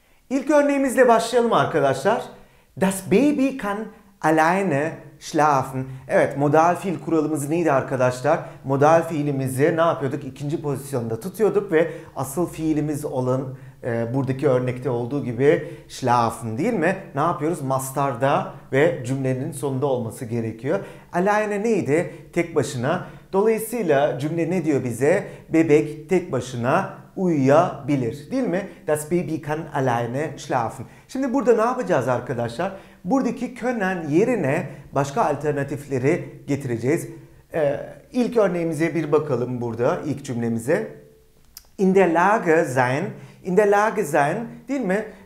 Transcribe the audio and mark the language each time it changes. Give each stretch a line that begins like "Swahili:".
Turkish: İlk örneğimizle başlayalım arkadaşlar.
German: Das Baby kann alleine schlafen.
Turkish: Evet, modal fiil kuralımız neydi arkadaşlar? Modal fiilimizi ne yapıyorduk? İkinci pozisyonda tutuyorduk ve asıl fiilimiz olan buradaki örnekte olduğu gibi schlafen, değil mi? Ne yapıyoruz? Mastarda ve cümlenin sonunda olması gerekiyor. Alleine neydi? Tek başına. Dolayısıyla cümle ne diyor bize? Bebek tek başına uyuyabilir, değil mi?
German: Das Baby kann alleine schlafen.
Turkish: Şimdi burada ne yapacağız arkadaşlar? Buradaki können yerine başka alternatifleri getireceğiz. İlk örneğimize bir bakalım burada, ilk cümlemize.
German: In der Lage sein,
Turkish: in der Lage sein, değil mi?